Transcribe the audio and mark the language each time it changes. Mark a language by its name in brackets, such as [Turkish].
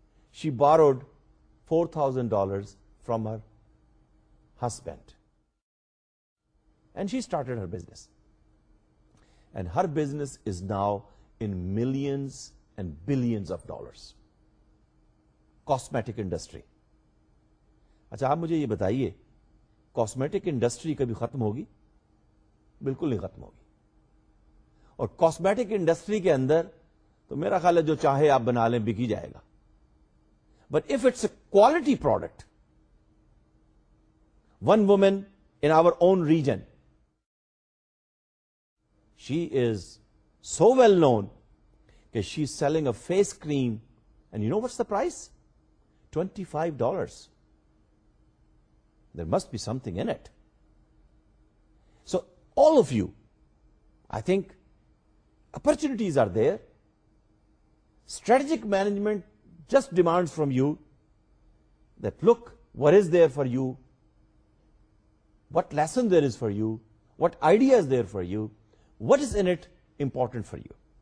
[English] She borrowed $4,000 from her husband. And she started her business. And her business is now in millions and billions of dollars. Cosmetic industry. [Urdu] اچھا آپ مجھے یہ بتائیے, cosmetic industry کبھی ختم ہوگی؟ بالکل نہیں ختم ہوگی. اور کاسمیٹک انڈسٹری کے اندر تو میرا خیال ہے جو چاہے آپ بنا لیں بکی جائے گا. [English] But if it's a quality product, one woman in our own region, she is so well known کہ she is selling a face cream, and you know what's the price, $25. There must be something in it. So all of you, I think opportunities are there. Strategic management just demands from you that look, what is there for you, what lesson there is for you, what idea is there for you, what is in it important for you.